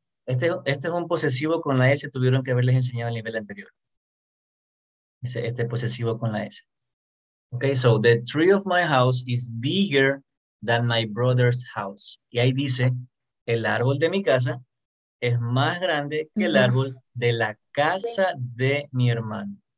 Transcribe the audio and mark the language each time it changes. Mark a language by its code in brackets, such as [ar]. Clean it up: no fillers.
[es] Este es un posesivo con la S, tuvieron que haberles enseñado el nivel anterior. Este posesivo con la S. [en] Okay, so the tree of my house is bigger than my brother's house. [es] Y ahí dice, el árbol de mi casa es más grande que el árbol de la casa de mi hermano.